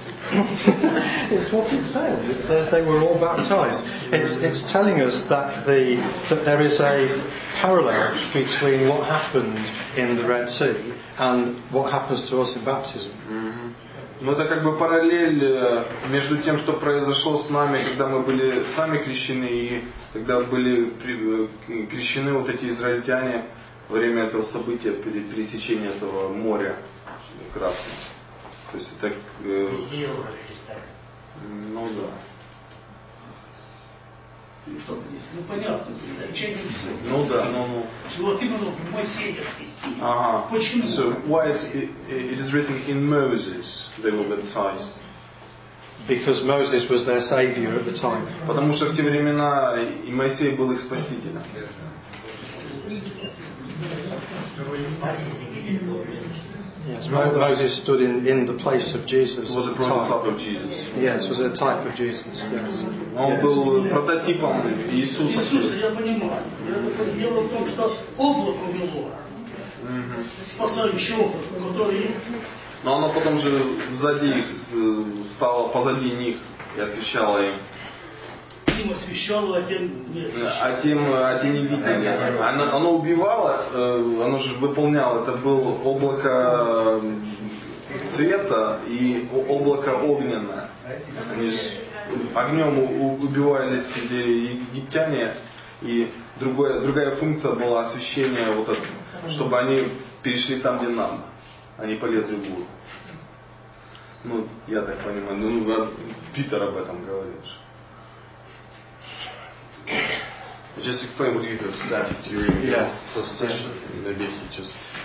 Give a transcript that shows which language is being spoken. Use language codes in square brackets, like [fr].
[en] It's what it says. It says they were all baptized. It's telling us that that there is a parallel between what happened in the Red Sea and what happens to us in baptism. [ru] Но это как бы параллель между тем, что произошло с нами, когда мы были сами крещены, и когда были крещены вот эти израильтяне во время этого события, пересечения этого моря красным. То есть это... Ну да. Ну понятно, ну да, Вот именно в Моисее крестили. Ага. Почему? [en] So why is it is written in Moses they were baptized? Because Moses was their savior at the time. [ru] Потому что в те времена и Моисей был их спасителем. [en] Yes, Moses stood in the place of Jesus. Was a prototype of Jesus. Yes, was a type of Jesus. Yes. [ru] Он был прототипом Иисуса. Иисус, я понимаю. Дело в том, что облако было спасающее облако, которое. Но оно потом же сзади стало позади них и освещало им. Им освещало, а тем не освещало. А тем не видели. Оно убивало, оно же выполняло. Это было облако цвета и облако огненное. Они же огнем убивали себе египтяне. И другая функция была освещение, вот это, чтобы они перешли там, где надо. Они полезли в гору. Ну, я так понимаю. Ну, Питер об этом говорит. [en] Just explain what you have said during the session. Maybe he just.